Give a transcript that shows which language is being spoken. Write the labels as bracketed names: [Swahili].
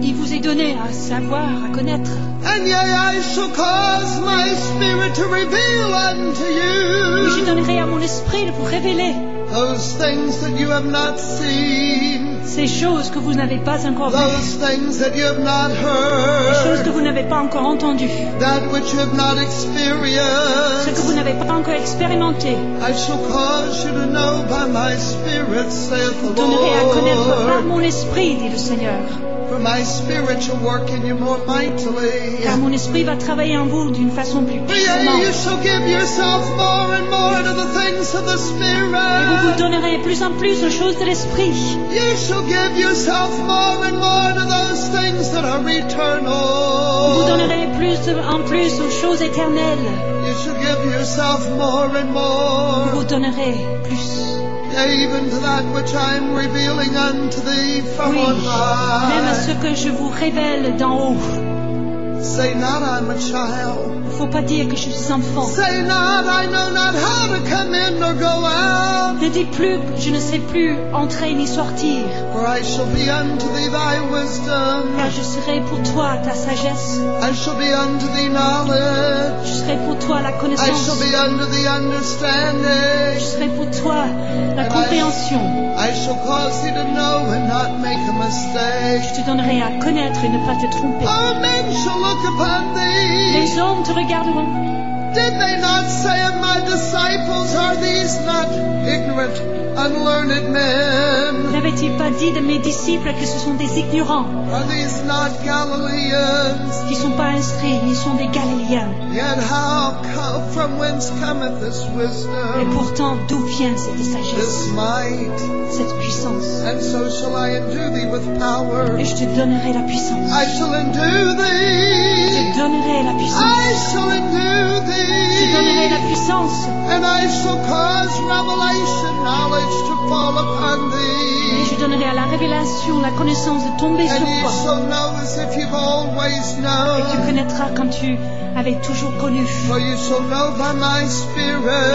[French] Il vous est donné à savoir, à connaître. [English] And yea, I shall cause my spirit to reveal unto you. [French] Et je donnerai à mon esprit de vous révéler. [English] Those things that you have not seen. [French] Ces choses que vous n'avez pas encore vues. [English] Those things that you have not heard. [French] Les choses que vous n'avez pas encore entendues. [English] That which you have not experienced. [French] Ce que vous n'avez pas encore expérimenté. [English] I shall cause you to know by my spirit, saith the Lord. [French] Je donnerai à connaître par mon esprit, dit le Seigneur. [English] For my spirit shall work in you more mightily. [French] Car mon esprit va travailler en vous d'une façon plus puissante. [English] You shall give yourself more and more to the things of the spirit. [French] Et vous vous donnerez plus en plus aux choses de l'esprit. [English] You shall give yourself more and more to those things that are eternal. [French] Vous donnerez plus en plus aux choses éternelles. [English] You shall give yourself more and more. [French] Vous vous donnerez plus. [English] Even to that which I am revealing unto thee from [French] oui, [English] on high. [French] Même à ce que je vous révèle d'en haut. [English] Say not I'm a child. [French] Faut pas dire que je suis enfant. [English] Say not I know not how to come in or go out. [French] Ne dis plus je ne sais plus entrer ni sortir. [English] For I shall be unto thee thy wisdom. [French] Car je serai pour toi ta sagesse. [English] I shall be unto thee knowledge. [French] Je serai pour toi la connaissance. [English] I shall be unto thee understanding. [French] Je serai pour toi la compréhension. [English] I shall cause thee to know and not make a mistake. [French] Je te donnerai à connaître et ne pas te tromper. [English] All men shall look upon thee. [French] Les hommes te regarderont. [English] Did they not say of my disciples, are these not ignorant, unlearned men? [French] N'avait-il pas dit de mes disciples que ce sont des ignorants? [English] Are these not Galileans? [French] Qui sont pas instruits, ils sont des Galiléens. [English] Yet how come, from whence cometh this wisdom? [French] Et pourtant, d'où vient cette sagesse? [English] This might. [French] Cette puissance. [English] And so shall I endue thee with power. [French] Et je te donnerai la puissance. [English] I shall endue thee. [French] Je te donnerai la puissance. [English] I shall endue thee. [French] Je donnerai la puissance. [English] And I shall cause revelation knowledge to fall upon thee. [French] Et je donnerai à la révélation la connaissance de tomber [English] and [French] sur toi. [English] Shall know as if you've always known. [French] Et tu connaîtras comme tu avais toujours connu. [English] For you shall know by my spirit.